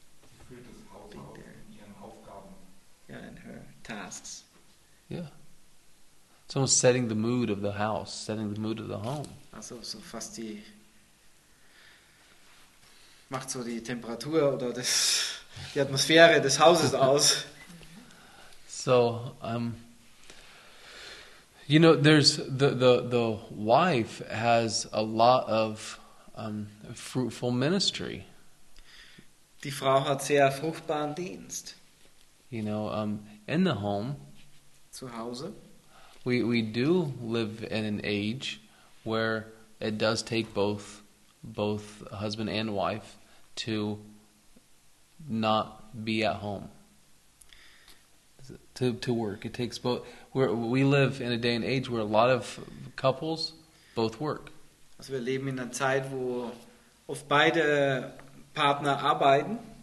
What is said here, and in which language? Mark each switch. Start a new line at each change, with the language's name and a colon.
German: Sie füllt das Haus aus mit ihren Aufgaben.
English: Yeah, and her tasks. Yeah. It's almost setting the mood of the house, setting the mood of the home.
German: Also so fast die macht so die Temperatur oder das die Atmosphäre des Hauses aus.
English: So you know, there's the wife has a lot of fruitful ministry.
German: Die Frau hat sehr fruchtbaren Dienst.
English: You know, in the home,
German: zu Hause,
English: we do live in an age where it does take both husband and wife to not be at home to work. It takes both. We live in a day and age where a lot of couples both work.
German: Also wir leben in einer Zeit, wo oft beide Partner arbeiten.